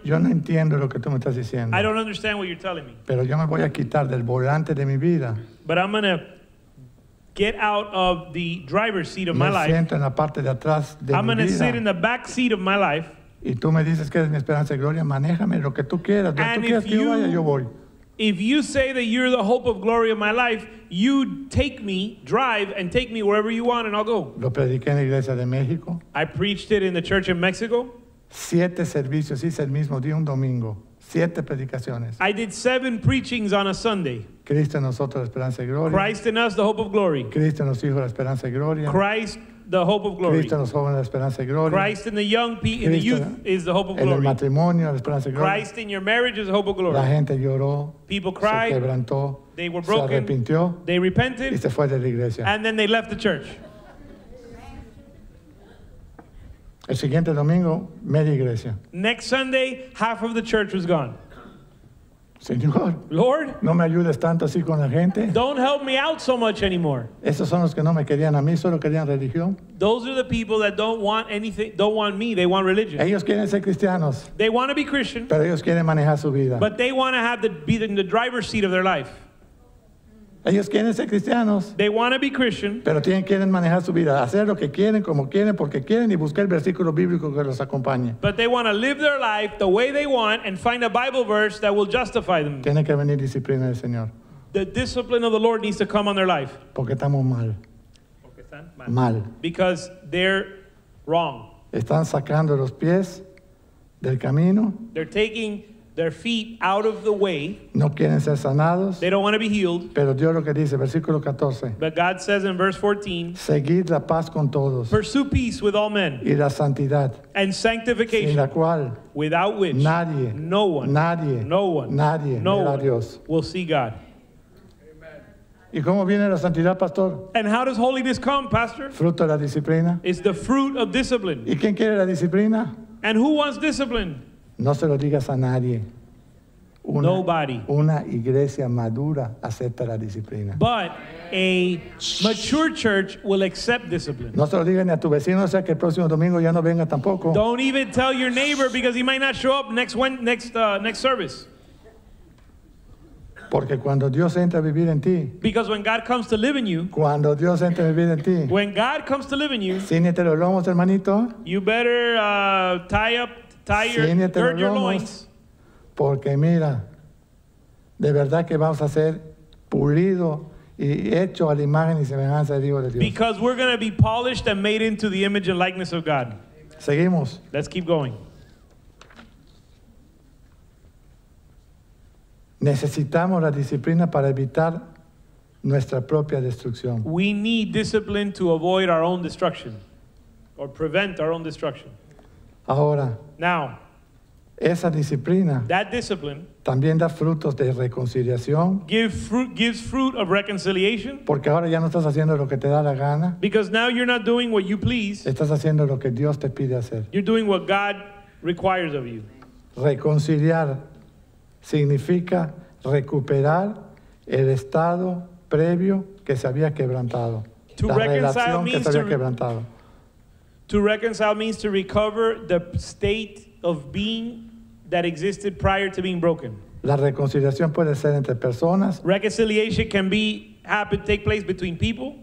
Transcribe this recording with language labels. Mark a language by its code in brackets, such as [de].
[es] yo no entiendo lo que tú me estás diciendo. [en] I don't understand what you're telling me. [es] Pero yo me voy a quitar del volante de mi vida. [en] But I'm going to get out of the driver's seat of me my life. [es] Siento en la parte de atrás de [en] I'm going to sit in the back seat of my life. [es] Y tú me dices que eres mi esperanza y gloria, manéjame lo que tú quieras. Donde tú quieras que yo vaya, yo voy. [en] If you say that you're the hope of glory of my life, you take me, drive, and take me wherever you want, and I'll go. [es] Lo prediqué en la iglesia de México. [en] I preached it in the church in Mexico. [es] 7 servicios hice el mismo día un domingo. 7 predicaciones. [en] I did 7 preachings on a Sunday. [es] Cristo en nosotros, la esperanza y gloria. [en] Christ in us, the hope of glory. [es] Cristo en los hijos, la esperanza y gloria. [en] Christ, the hope of glory. [es] Cristo en los jóvenes, la esperanza y gloria. [en] Christ in the young people, in the youth, is the hope of glory. [es] En el matrimonio, la esperanza y gloria. [en] Christ in your marriage is the hope of glory. [es] La gente lloró. [en] People cried. [es] Se quebrantó. [en] They were broken. [es] Se arrepintió. [en] They repented. [es] Y se fue de la iglesia. [en] And then they left the church. [es] El siguiente domingo, media iglesia. [en] Next Sunday, half of the church was gone. [es] Señor, [en] Lord, [es] no me ayudes tanto así con la gente. [en] Don't help me out so much anymore. [es] Esos son los que no me querían a mí, solo querían religión. [en] Those are the people that don't want anything, don't want me, they want religion. [es] Ellos quieren ser cristianos. [en] They want to be Christian. [es] Pero ellos quieren manejar su vida. [en] But they want to have the be in the driver's seat of their life. [es] Ellos quieren ser cristianos. [en] They want to be Christian. [es] Pero quieren manejar su vida. Hacer lo que quieren, como quieren, porque quieren y buscar el versículo bíblico que los acompañe. [en] But they want to live their life the way they want and find a Bible verse that will justify them. [es] Tiene que venir disciplina del Señor. [en] The discipline of the Lord needs to come on their life. [es] Porque estamos mal. Porque están mal. [en] Because they're wrong. [es] Están sacando los pies del camino. [en] They're taking their feet out of the way. [es] No quieren ser sanados. [en] They don't want to be healed. [es] Pero Dios lo que dice, versículo 14. [en] But God says in verse 14. [es] Seguid la paz con todos. [en] Pursue peace with all men. [es] Y la santidad. [en] And sanctification. [es] Sin la cual. [en] Without which. [es] Nadie. [en] No one. [es] Nadie. [en] No one. [es] Nadie. [en] No one. [es] Verá Dios. [en] Will see God. [es] ¿Y cómo viene la santidad, pastor? [en] And how does holiness come, pastor? [es] Fruto de la disciplina. [en] It's the fruit of discipline. [es] ¿Y quién quiere la disciplina? [en] And who wants discipline? [es] No se lo digas a nadie. [en] Nobody. [es] Una iglesia madura acepta la disciplina. [en] But a mature church will accept discipline. [es] No se lo digas ni a tu vecino, o sea que el próximo domingo ya no venga tampoco. [en] Don't even tell your neighbor because he might not show up next service. [es] Porque cuando Dios entra a vivir en ti. [en] Because when God comes to live in you. [es] Cuando Dios entra a vivir en ti. [en] When God comes to live in you. [es] Cíñete los lomos, hermanito. [en] You better tie your loins. [es] Porque mira, de verdad que vamos a ser pulido y hecho a la imagen y semejanza del Hijo de Dios. [en] Because we're going to be polished and made into the image and likeness of God. [es] Amen. Seguimos. [en] Let's keep going. [es] Necesitamos la disciplina para evitar nuestra propia destrucción. [en] We need discipline to avoid our own destruction or prevent our own destruction. [es] Ahora, [en] now, [es] esa disciplina, [en] that discipline, [es] también da frutos de reconciliación. [en] Gives fruit of reconciliation. [es] Porque ahora ya no estás haciendo lo que te da la gana. [en] Because now you're not doing what you please. [es] Estás haciendo lo que Dios te pide hacer. [en] You're doing what God requires of you. [es] Reconciliar significa recuperar el estado previo que se había quebrantado. [en] To [es] la relación que se había quebrantado. [en] To reconcile means to recover the state of being that existed prior to being broken. [es] La reconciliación puede ser entre personas. [en] Reconciliation can be happen take place between people.